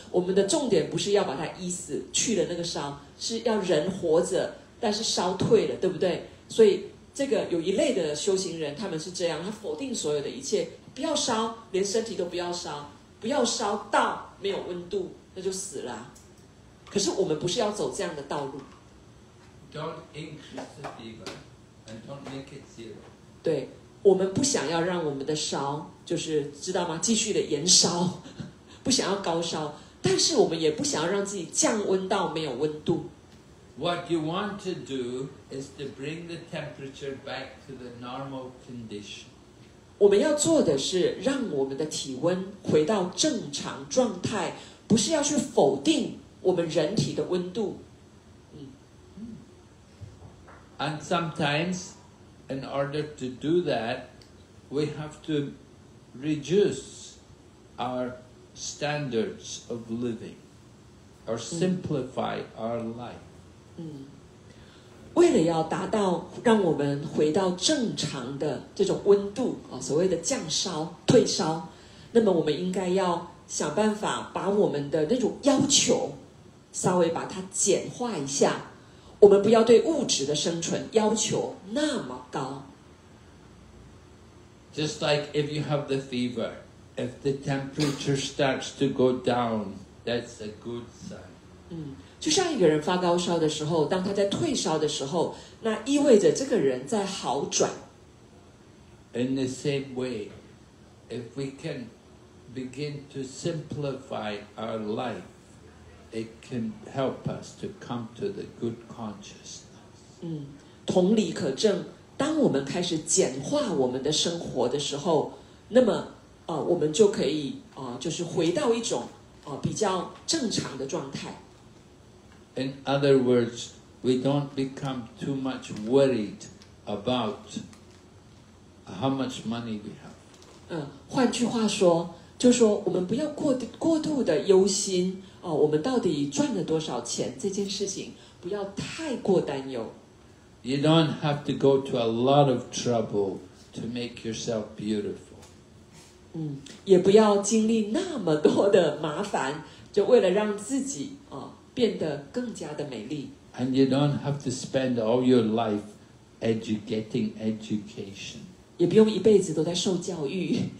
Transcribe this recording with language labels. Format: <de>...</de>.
<zh>我们的重点不是要把他医死，去了那个烧，是要人活着，但是烧退了，对不对？所以这个有一类的修行人，他们是这样，他否定所有的一切，不要烧，连身体都不要烧，不要烧到没有温度，那就死了。可是我们不是要走这样的道路。</zh> <en>Don't increase the fever and don't make it zero.</en> <zh>对。我们不想要让我们的烧，就是知道吗？继续的延烧，不想要高烧，但是我们也不想要让自己降温到没有温度。</zh> <en>What you want to do is to bring the temperature back to the normal condition.</en> <zh>我们要做的是让我们的体温回到正常状态，不是要去否定我们人体的温度。</zh> <en>And sometimes. In order to do that, we have to reduce our standards of living, or simplify our life.</en> <zh>为了要达到让我们回到正常的这种温度，所谓的降烧、退烧，那么我们应该要想办法把我们的那种要求稍微把它简化一下。我们不要对物质的生存要求那么高。</zh> <en>Just like if you have the fever, if the temperature starts to go down, that's a good sign.</en> <zh>就像一个人发高烧的时候，当他在退烧的时候，那意味着这个人在好转。</zh> <en>In the same way, if we can begin to simplify our life, it can help us to come to the good consciousness.</en> <zh>同理可证，当我们开始简化我们的生活的时候，那么我们就可以就是回到一种比较正常的状态。</zh> <en>In other words, we don't become too much worried about how much money we have.</en> <zh>换句话说，就说我们不要过度的忧心我们到底赚了多少钱这件事情，不要太过担忧。</zh> <en>You don't have to go to a lot of trouble to make yourself beautiful.</en> <zh>也不要经历那么多的麻烦，就为了让自己变得更加的美丽。</zh> <en>And you don't have to spend all your life educating education.</en> <zh>也不用一辈子都在受教育。</zh>